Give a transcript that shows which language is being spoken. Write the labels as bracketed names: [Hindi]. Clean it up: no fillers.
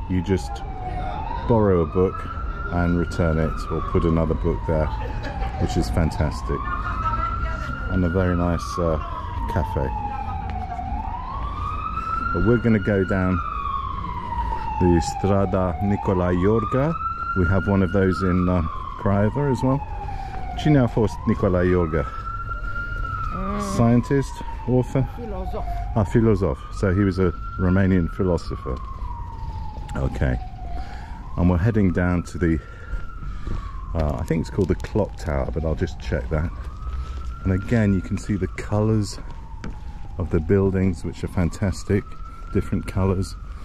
[English] You just borrow a book and return it, or put another book there, which is fantastic. And a very nice cafe. But we're going to go down the Strada Nicolae Iorga. We have one of those in Craiova as well. [Romanian] Cine a fost Nicolae Iorga? [English] Scientist? Author? [Romanian] Filosof. [English] A filosof. So he was a Romanian philosopher. Okay. And we're heading down to the I think it's called the clock tower, but I'll just check that. And again, you can see the colours of the buildings, which are fantastic, different colours.